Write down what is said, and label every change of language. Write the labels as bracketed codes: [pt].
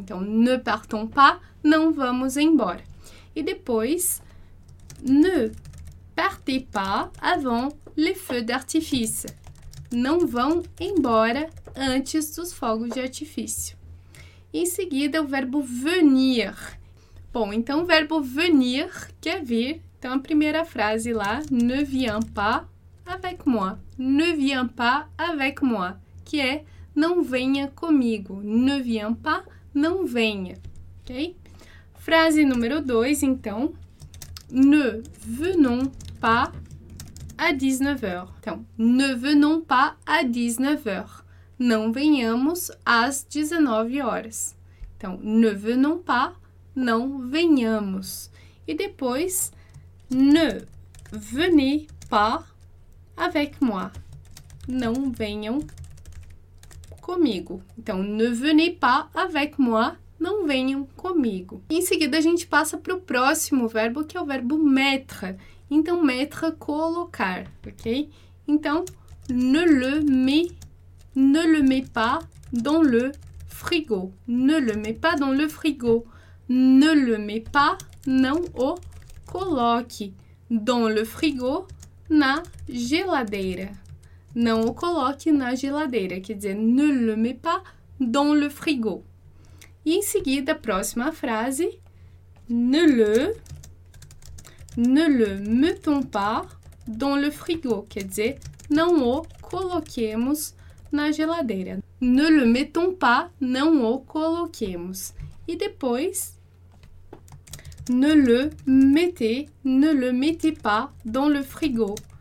[pt] Então, [fr] ne partons pas, [pt] não vamos embora. E depois, [fr] ne partez pas avant les feux d'artifice, [pt] não vão embora antes dos fogos de artifício. Em seguida, o verbo venir. Bom, então, o verbo venir quer vir. Então, a primeira frase lá, [fr] ne viens pas avec moi. Ne viens pas avec moi, [pt] que é não venha comigo. [fr] Ne viens pas, [pt] não venha, ok? Frase número 2, então, [fr] ne venons pas à 19h. [pt] Então, [fr] ne venons pas à 19h. [pt] Não venhamos às 19 horas. Então, [fr] ne venons pas, [pt] não venhamos. E depois, [fr] ne venez pas avec moi. [pt] Não venham comigo. [fr] Então, ne venez pas avec moi. [pt] Não venham comigo. Em seguida, a gente passa para o próximo verbo, que é o verbo mettre. Então, mettre, colocar, ok? [fr] Então, ne le mets pas dans le frigo. Ne le mets pas dans le frigo. Ne le mets pas, [pt] não o coloque. [fr] Dans le frigo, [pt] na geladeira. Não o coloque na geladeira, quer dizer, [fr] ne le mets pas dans le frigo. [pt] E em seguida, próxima frase, [fr] ne le mettons pas dans le frigo, [pt] quer dizer, não o coloquemos na geladeira. [fr] Ne le mettons pas, [pt] não o coloquemos. [fr] E depois, ne le mettez pas dans le frigo.